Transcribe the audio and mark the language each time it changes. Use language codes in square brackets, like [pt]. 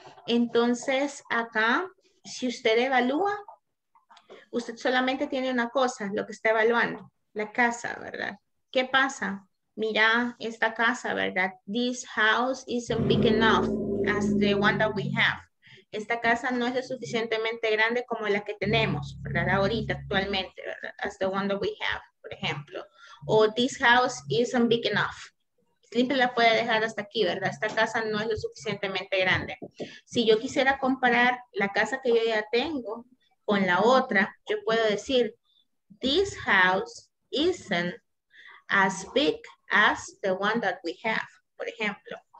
[es] Entonces, acá, si usted evalúa, usted solamente tiene una cosa, lo que está evaluando, la casa, ¿verdad? ¿Qué pasa? Mira esta casa, ¿verdad? [en] This house isn't big enough as the one that we have. [es] Esta casa no es lo suficientemente grande como la que tenemos, ¿verdad? Ahorita, actualmente, ¿verdad? [en] As the one that we have, [es] por ejemplo. O [en] this house isn't big enough. [es] Siempre la puede dejar hasta aquí, ¿verdad? Esta casa no es lo suficientemente grande. Si yo quisiera comparar la casa que yo ya tengo con la otra, yo puedo decir, [en] this house isn't as big as the one that we have, [es] por ejemplo.